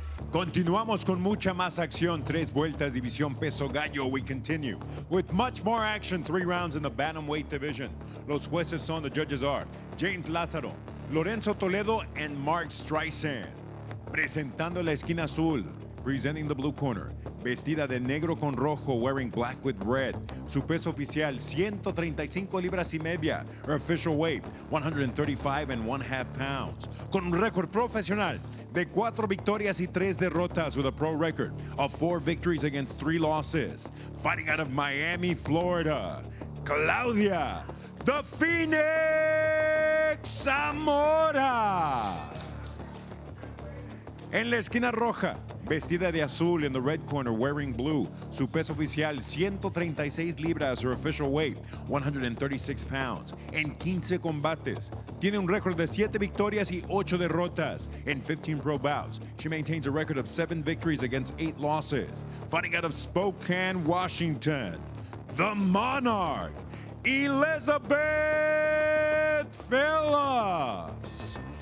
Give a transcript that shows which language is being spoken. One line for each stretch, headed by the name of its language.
Spanish: Continuamos con mucha más acción, tres vueltas, división peso gallo.
English: We continue with much more action, three rounds in the bantamweight division. Los jueces son, the judges are James Lázaro, Lorenzo Toledo, and Mark Streisand.
Spanish: Presentando la esquina azul, presenting the blue corner, vestida de negro con rojo, wearing black with red. Su peso oficial, 135 libras y media. Her official weight, 135.5 pounds. Con récord profesional de 4 victorias y 3 derrotas, with a pro record of 4 victories against 3 losses.
English: Fighting out of Miami, Florida, Claudia, the Phoenix Zamora.
Spanish: En la esquina roja, vestida de azul, in the red corner, wearing blue. Su peso oficial, 136 libras, her official weight, 136 pounds. En 15 combates, tiene un récord de 7 victorias y 8 derrotas.
English: In 15 pro bouts, she maintains a record of 7 victories against 8 losses. Fighting out of Spokane, Washington, the Monarch, Elizabeth Phillips.